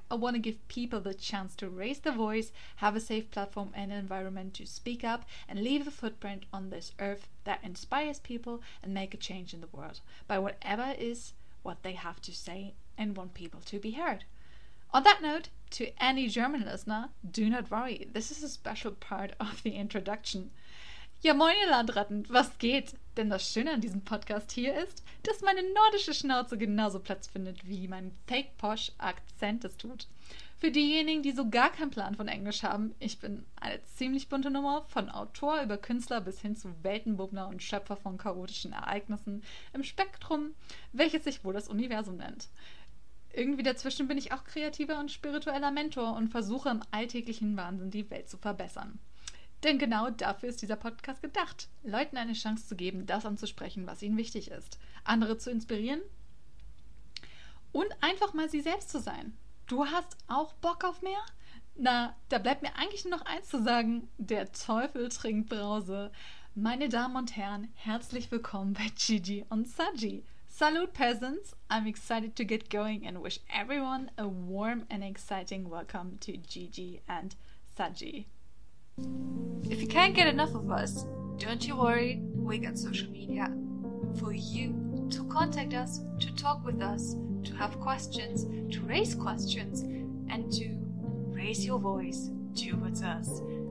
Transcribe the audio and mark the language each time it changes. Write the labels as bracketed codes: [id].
[en] I want to give people the chance to raise their voice, have a safe platform and environment to speak up and leave a footprint on this earth that inspires people and make a change in the world by whatever is what they have to say and want people to be heard. On that note, to any German listener, do not worry. This is a special part of the introduction. [de] Ja moin ihr Landratten, was geht? Denn das Schöne an diesem Podcast hier ist, dass meine nordische Schnauze genauso Platz findet, wie mein fake posh Akzent es tut. Für diejenigen, die so gar keinen Plan von Englisch haben, ich bin eine ziemlich bunte Nummer, von Autor über Künstler bis hin zu Weltenbummler und Schöpfer von chaotischen Ereignissen im Spektrum, welches sich wohl das Universum nennt. Irgendwie dazwischen bin ich auch kreativer und spiritueller Mentor und versuche im alltäglichen Wahnsinn die Welt zu verbessern. Denn genau dafür ist dieser Podcast gedacht, Leuten eine Chance zu geben, das anzusprechen, was ihnen wichtig ist, andere zu inspirieren und einfach mal sie selbst zu sein. Du hast auch Bock auf mehr? Na, da bleibt mir eigentlich nur noch eins zu sagen, der Teufel trinkt Brause. Meine Damen und Herren, herzlich willkommen bei Gigi und Sagi. [en] Salute, peasants! I'm excited to get going and wish everyone a warm and exciting welcome to Gigi and Sagi. If you can't get enough of us, don't you worry, we got social media for you to contact us, to talk with us, to have questions, to raise questions, and to raise your voice towards us.